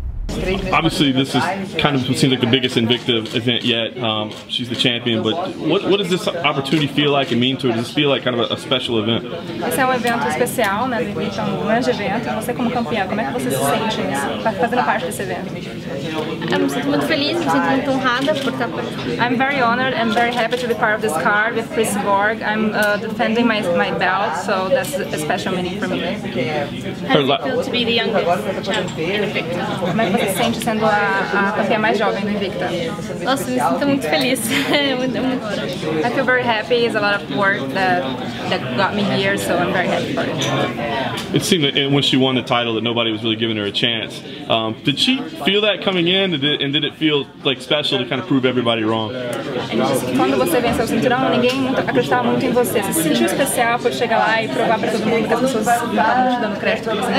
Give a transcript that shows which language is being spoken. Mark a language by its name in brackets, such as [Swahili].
[English] Obviously, this is kind of seems like the biggest Invicta event yet. She's the champion, but what does this opportunity feel like and mean to her? Does this feel like kind of a special event? This is an event special, né? Invicta, [Portuguese] um grande evento. Você como campeã, como é que você se sente fazendo parte desse evento? Eu me sinto muito feliz, me sinto muito honrada por estar. [English] I'm very honored and very happy to be part of this card with Chris Borg. I'm defending my belt, so that's a special meaning for me. How does it feel to be the youngest champion in Invicta? [Portuguese] Sente sendo a campeã mais jovem do Invicta? Nossa, me sinto muito feliz. [English] I feel very happy. It's a lot of work that got me here, so I'm very happy for it. It seemed that when she won the title that nobody was really giving her a chance. Did she feel that coming in, and did it feel like special to kind of prove everybody wrong? [Portuguese] Quando você venceu o cinturão, ninguém acreditava muito em você. Você sentiu especial por chegar lá e provar para todo mundo que as pessoas estavam te dando crédito?